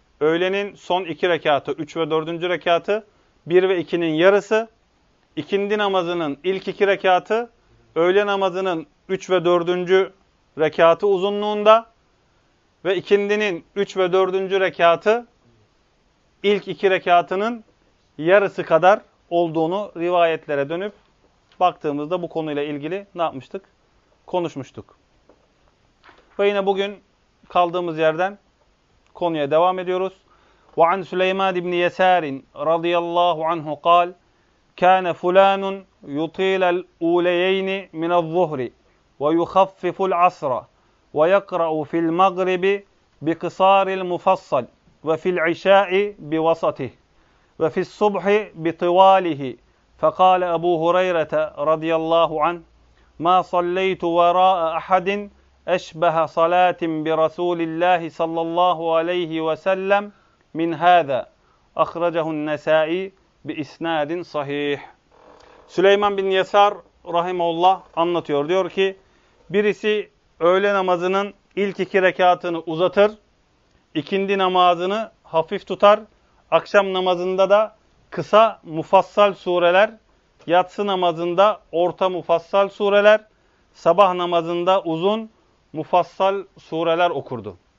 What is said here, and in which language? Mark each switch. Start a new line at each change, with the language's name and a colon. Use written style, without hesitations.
Turkish: Öğlenin son iki rekatı, üç ve dördüncü rekatı, bir ve ikinin yarısı, ikindi namazının ilk iki rekatı, öğle namazının üç ve dördüncü rekatı uzunluğunda ve ikindinin üç ve dördüncü rekatı ilk iki rekatının yarısı kadar olduğunu rivayetlere dönüp baktığımızda bu konuyla ilgili ne yapmıştık? Konuşmuştuk. Ve yine bugün kaldığımız yerden konuya devam ediyoruz.
Arabic: وَعَنْ سُلَيْمَانَ بْنِ يَسَارٍ رَضِيَ اللّٰهُ عَنْهُ قَالْ كَانَ فُلَانٌ يُطِيلَ الْاُولَيَيْنِ مِنَ الظُّهْرِ وَيُخَفِّفُ الْعَصْرَ وَيَقْرَأُ فِي الْمَغْرِبِ بِقِصَارِ الْمُفَصَّلِ وَفِي الْعِشَاءِ بِوَسَطِهِ وَفِي الصُّبْحِ بِطِوَالِهِ فقال أبو هريرة رضي الله عنه ما صليت وراء أحد أشبه صلاة برسول الله صلى الله عليه وسلم من هذا أخرجه النسائي بإسناد صحيح.
Turkish: Süleyman bin Yesar rahimahullah anlatıyor. Diyor ki birisi öğle namazının ilk iki rekatını uzatır, ikindi namazını hafif tutar, akşam namazında da kısa mufassal sureler, yatsı namazında orta mufassal sureler, sabah namazında uzun mufassal sureler okurdu.